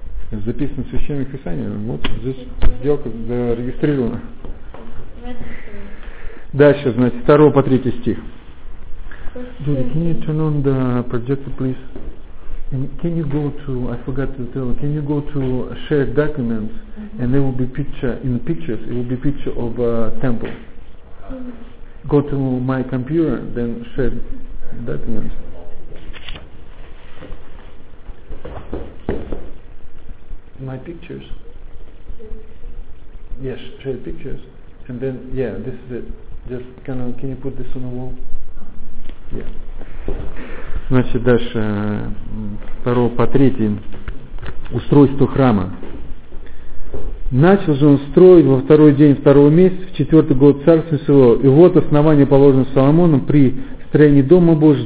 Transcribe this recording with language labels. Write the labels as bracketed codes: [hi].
[ru] Записано в Священном Писании, вот здесь сделка зарегистрирована. Дальше, значит, 2 по 3 стих. [en] Can you turn on the projector, please? And can you go to, I forgot to tell, can you go to shared documents and there will be picture, in the pictures, it will be picture of a temple. Go to my computer, then shared documents. My pictures. Yes, share pictures. And then, yeah, this is it. Just kind of, can you put this on the wall? Yeah. [ru] Значит, дальше, 2 по 3, устройство храма. Начал же он строить во второй день второго месяца, в четвертый год царства своего. И вот основание положено Соломоном при строении Дома Божьего.